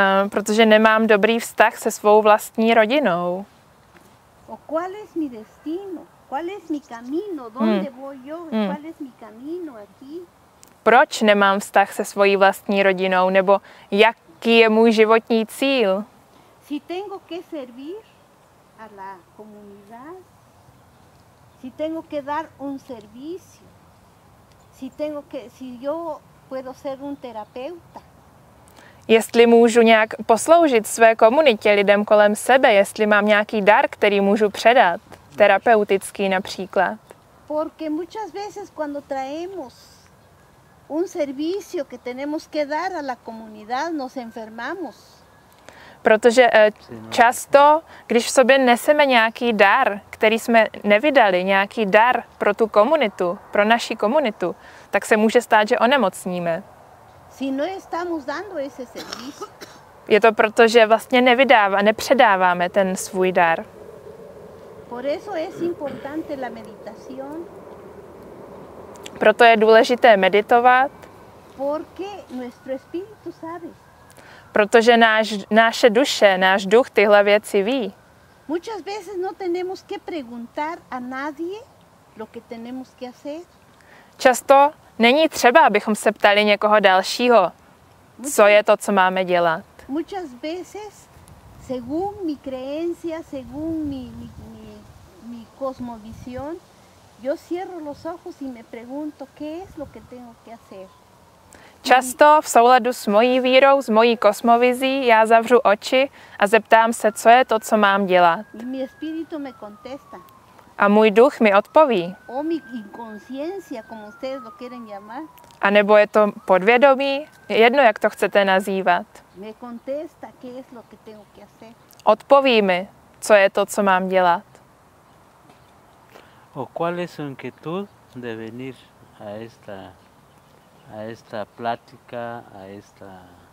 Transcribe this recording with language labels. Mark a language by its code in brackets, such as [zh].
[cs] Protože nemám dobrý vztah se svou vlastní rodinou. [es] O cuál es mi destino? Cuál es mi camino? Dónde voy yo? Cuál es mi camino aquí? [cs] Proč nemám vztah se svojí vlastní rodinou? Nebo jaký je můj životní cíl? [es] Si tengo que servir a la comunidad, si tengo que dar un servicio, si yo puedo ser un terapeuta. [cs] Jestli můžu nějak posloužit své komunitě, lidem kolem sebe, jestli mám nějaký dar, který můžu předat, terapeutický například. [es] Porque muchas veces cuando traemos un servicio que tenemos que dar a la comunidad, nos enfermamos. [cs] Protože často, když v sobě neseme nějaký dar, který jsme nevydali, nějaký dar pro tu komunitu, pro naši komunitu, tak se může stát, že onemocníme. [es] Si no estamos dando ese servicio. [cs] Je to proto, že vlastně nepředáváme ten svůj dar. [es] Por eso es importante la meditación. [cs] Proto je důležité meditovat. [es] Porque nuestro espíritu sabe. [cs] Protože naše duše, náš duch tyhle věci ví. [es] Muchas veces no tenemos que preguntar a nadie lo que tenemos que hacer. [cs] Často není třeba, abychom se ptali někoho dalšího, co je to, co máme dělat. [es] Muchas veces, según mi creencia, según mi cosmovisión, yo cierro los ojos y me pregunto, ¿qué es lo que tengo que hacer? [cs] Často v souladu s mojí vírou, s mojí kosmovizí, já zavřu oči a zeptám se, co je to, co mám dělat. [es] Y mi espíritu me contesta. [cs] A můj duch mi odpoví. [es] O mi inconsciencia, como ustedes lo quieren llamar. [cs] A nebo je to podvědomí, jedno, jak to chcete nazývat. [es] Me contesta, qué es lo que tengo que hacer. [cs] Odpoví mi, co je to, co mám dělat. [es] O cuál es su inquietud de venir a esta plática, a esta...